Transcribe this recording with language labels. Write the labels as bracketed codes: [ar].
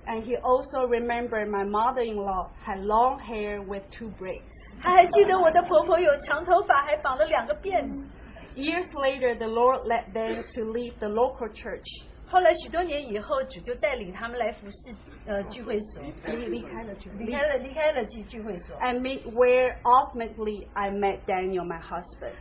[en] And he also remembered my mother-in-law had long hair with two braids. [zh] 他还记得我的婆婆有长头发,还绑了两个辫子。 [en] Years later, the Lord led them to leave the local church. [zh] 后来许多年以后,主就带领他们来服侍聚会所。离开了聚会所。 [en] And meet where ultimately I met Daniel, my husband.